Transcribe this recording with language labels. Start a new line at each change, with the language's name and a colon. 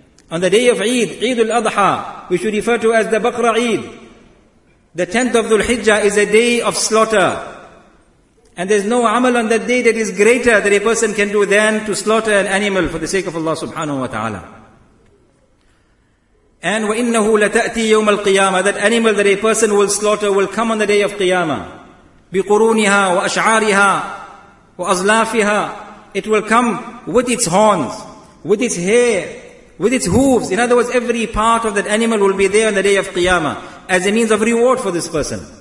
English: On the day of Eid, Eid al-Adha, we should refer to as the Baqra Eid. The 10th of Dhul Hijjah is a day of slaughter. And there's no amal on that day that is greater that a person can do than to slaughter an animal for the sake of Allah subhanahu wa ta'ala.
Arabic: And وَإِنَّهُ لَتَأْتِي يَوْمَ الْقِيَامَةِ.
English: That animal that a person will slaughter will come on the day of Qiyamah.
Arabic: بِقُرُونِهَا وَأَشْعَارِهَا وَأَزْلَافِهَا.
English: It will come with its horns, with its hair, with its hooves. In other words, every part of that animal will be there on the day of Qiyamah as a means of reward for this person.